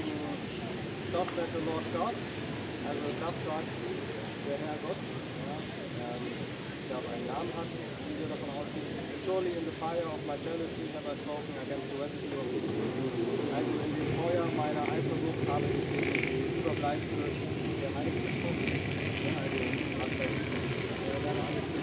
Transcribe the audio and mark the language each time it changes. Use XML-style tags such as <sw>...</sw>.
<de>das sagt der</de> <en>Lord God,</en> <de>also das sagt der Herr Gott, der aber einen Namen hat, wie wir davon ausgehen.</de> <en>Surely in the fire of my jealousy have I spoken against the residue of Egypt.</en> <de>Also in dem Feuer meiner Eifersucht habe ich den Überbleibsel der Heiligen gesprochen. Also, was heißt das?</de>